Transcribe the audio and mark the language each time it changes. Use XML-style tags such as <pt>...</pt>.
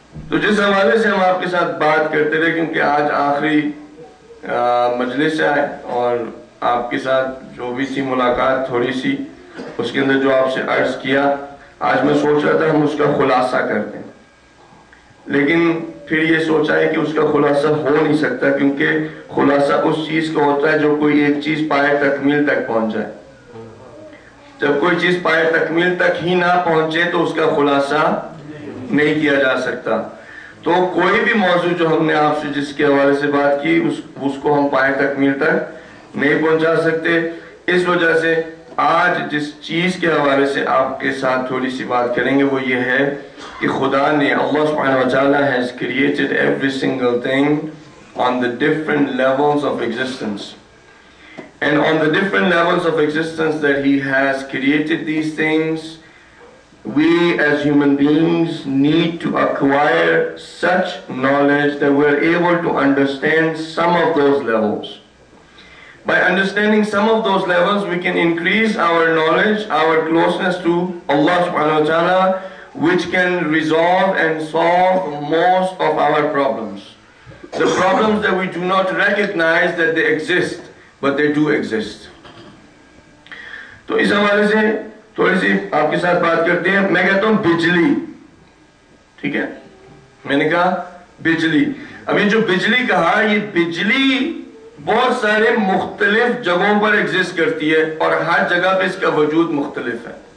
<ur>تو جس حوالے سے ہم آپ کے ساتھ بات کرتے رہے, کیونکہ آج آخری مجلس آئے اور آپ کے ساتھ جو بھی سی ملاقات تھوڑی سی اس کے اندر جو آپ سے عرض کیا, آج میں سوچ رہا تھا ہم اس کا خلاصہ کرتے ہیں, لیکن پھر یہ سوچا ہے کہ اس کا خلاصہ ہو نہیں سکتا, کیونکہ خلاصہ اس چیز کا ہوتا ہے جو کوئی ایک چیز پائے تکمیل تک پہنچ جائے. جب کوئی چیز پائے تکمیل تک ہی نہ پہنچے تو اس کا خلاصہ نہیں کیا جا سکتا. تو کوئی بھی موضوع جو ہم نے آپ سے جس کے حوالے سے بات کی, اس کو ہم پائے تکمیل تک نہیں پہنچا سکتے. اس وجہ سے آج جس چیز کے حوالے سے آپ کے ساتھ تھوڑی سی بات کریں گے, وہ یہ ہے کہ خدا نے, اللہ سبحانہ وتعالی</ur> <en>has created every single thing on the different levels of existence, and on the different levels of existence that he has created these things, we as human beings need to acquire such knowledge that we are able to understand some of those levels. By understanding some of those levels, we can increase our knowledge, our closeness to Allah subhanahu wa ta'ala, which can resolve and solve most of our problems. The problems that we do not recognize that they exist, but they do exist.</en> <ur>تو اس حوالے سے تھوڑی سی آپ کے ساتھ بات کرتے ہیں. میں کہتا ہوں بجلی, ٹھیک ہے, میں نے کہا بجلی. ابھی جو بجلی کہا, یہ بجلی بہت سارے مختلف جگہوں پر ایگزسٹ کرتی ہے اور ہر جگہ پہ اس کا وجود مختلف ہے.</ur>